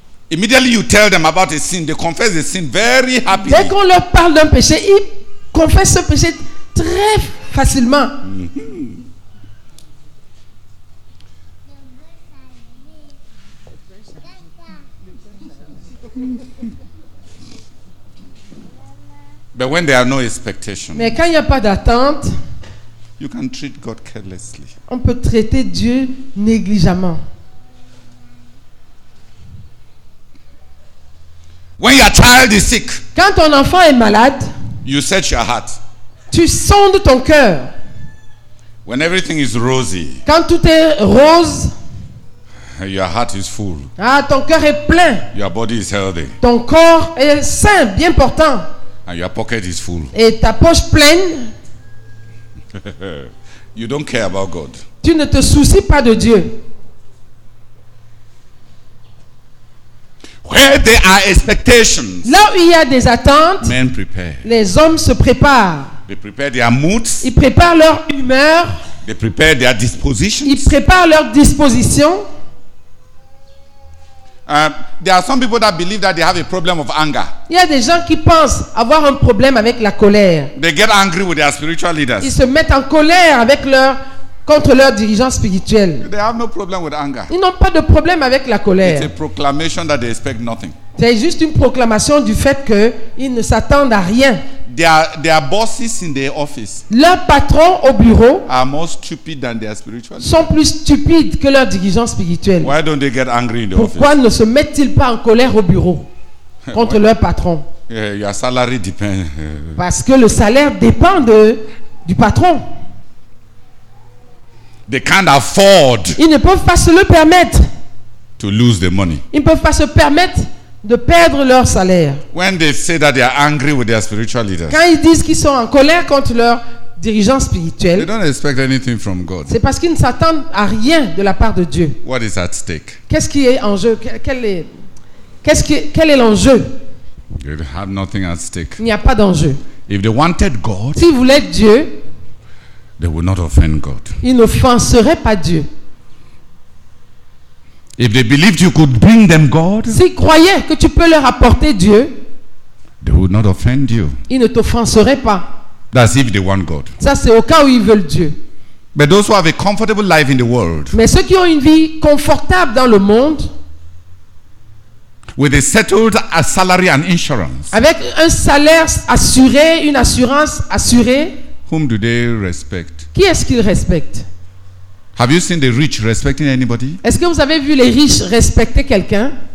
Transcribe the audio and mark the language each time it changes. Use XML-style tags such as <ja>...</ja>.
<en>immediately you tell them about a sin, they confess the sin very happily.</en> <fr>Dès qu'on leur parle d'un péché, ils confessent ce péché très facilement.</fr> <en>But when there are no expectations,</en> <fr>mais quand il n'y a pas d'attente,</fr> <en>you can treat God carelessly.</en> <fr>On peut traiter Dieu négligemment.</fr> <en>When your child is sick,</en> <fr>quand ton enfant est malade,</fr> <en>you search your heart.</en> <fr>Tu sondes ton cœur.</fr> <en>When everything is rosy,</en> <fr>quand tout est rose,</fr> <en>your heart is full.</en> <fr>Ah, ton cœur est plein.</fr> <en>Your body is healthy.</en> <fr>Ton corps est sain, bien portant.</fr> <en>And your pocket is full.</en> <fr>Et ta poche pleine.</fr> <en>You don't care about God.</en> <fr>Tu ne te soucies pas de Dieu.</fr> <en>Where there are expectations,</en> <fr>là où il y a des attentes,</fr> <en>men prepare.</en> <fr>Les hommes se préparent.</fr> <en>They prepare their moods.</en> <fr>Ils préparent leur humeur.</fr> <en>They prepare their dispositions.</en> <fr>Ils préparent leur disposition.</fr> <en>There are some people that believe that they have a problem of anger.</en> <fr>Il y a des gens qui pensent avoir un problème avec la colère.</fr> <en>They get angry with their spiritual leaders.</en> <fr>Ils se mettent en colère avec contre leurs dirigeants spirituels.</fr> <en>They have no problem with anger.</en> <fr>Ils n'ont pas de problème avec la colère.</fr> <en>It's a proclamation that they expect nothing.</en> <fr>C'est juste une proclamation du fait qu'ils ne s'attendent à rien.</fr> <en>Their bosses in their office.</en> <fr>Leurs patrons au bureau</fr> <en>are more stupid than their spiritual.</en> <fr>Sont plus stupides que leurs dirigeants spirituels.</fr> <en>Why don't they get angry in the</en> <fr>Pourquoi</fr> <en>office?</en> <fr>Pourquoi ne se mettent-ils pas en colère au bureau contre leur patron?</fr> <en>Yeah, your salary depends.</en> <fr>Parce que le salaire dépend du patron.</fr> <en>They can't afford.</en> <fr>Ils ne peuvent pas se le permettre.</fr> <en>To lose the money.</en> <fr>Ils ne peuvent pas se permettre de perdre leur salaire.</fr> <en>When they say that they are angry with their spiritual leaders,</en> <fr>quand ils disent qu'ils sont en colère contre leurs dirigeants spirituels,</fr> <en>they don't expect anything from God.</en> <fr>C'est parce qu'ils ne s'attendent à rien de la part de Dieu.</fr> <en>What is at stake?</en> <fr>Qu'est-ce qui est en jeu? Quel est l'enjeu?</fr> <en>They have nothing at stake.</en> <fr>Il n'y a pas d'enjeu.</fr> <en>If they wanted God,</en> <fr>s'ils voulaient Dieu,</fr> <en>they would not offend God.</en> <fr>Ils n'offenseraient pas Dieu.</fr> <en>If they believed you could bring them God,</en> <fr>s'ils croyaient que tu peux leur apporter Dieu,</fr> <en>they would not offend you.</en> <fr>Ils ne t'offenseraient pas.</fr> <en>That's if they want God.</en> <fr>Ça, c'est au cas où ils veulent Dieu.</fr> <en>But those who have a comfortable life in the world,</en> <fr>mais ceux qui ont une vie confortable dans le monde,</fr> <en>With a settled salary and insurance.</en> <fr>Avec un salaire assuré, une assurance assurée.</fr> <en>Whom do they respect?</en> <fr>Qui est-ce qu'ils respectent?</fr> <en>Have you seen the rich respecting anybody?</en> <fr>Est-ce que vous avez vu les riches respecter quelqu'un?</fr>